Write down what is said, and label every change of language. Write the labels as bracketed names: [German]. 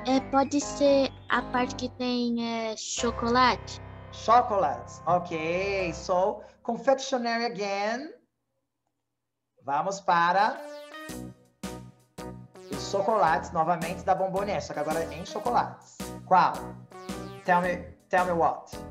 [Portuguese] Pode ser a parte que tem chocolate. [English] Chocolates, ok. So, confectionery again. [Portuguese] Vamos para... Chocolates, novamente, da Bombonier, só que agora em chocolates. Qual? [English] Tell me what.